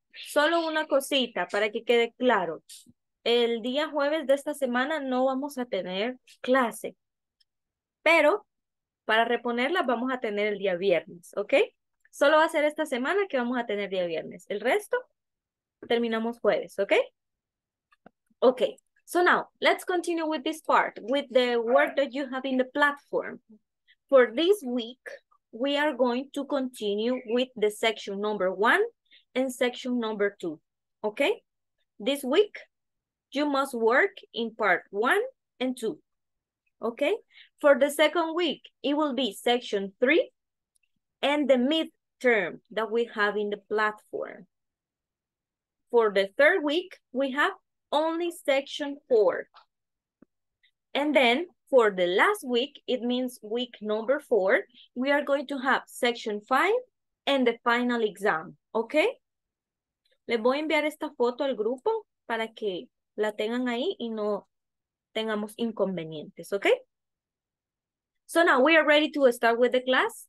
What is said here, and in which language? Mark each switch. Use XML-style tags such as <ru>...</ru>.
<es>Solo una cosita para que quede claro. El día jueves de esta semana no vamos a tener clase. Pero para reponerla vamos a tener el día viernes, ¿ok? Solo va a ser esta semana que vamos a tener día viernes. El resto terminamos jueves, ¿ok? Ok.</es> <en>So now, let's continue with this part, with the work that you have in the platform. For this week, we are going to continue with the section number one and section number two, okay? This week, you must work in part one and two, okay? For the second week, it will be section three and the midterm that we have in the platform. For the third week, we have only section four. And then for the last week, it means week number four, we are going to have section five and the final exam, okay?</en> <es>Le voy a enviar esta foto al grupo para que la tengan ahí y no tengamos inconvenientes, okay?</es> <en>So now we are ready to start with the class.</en>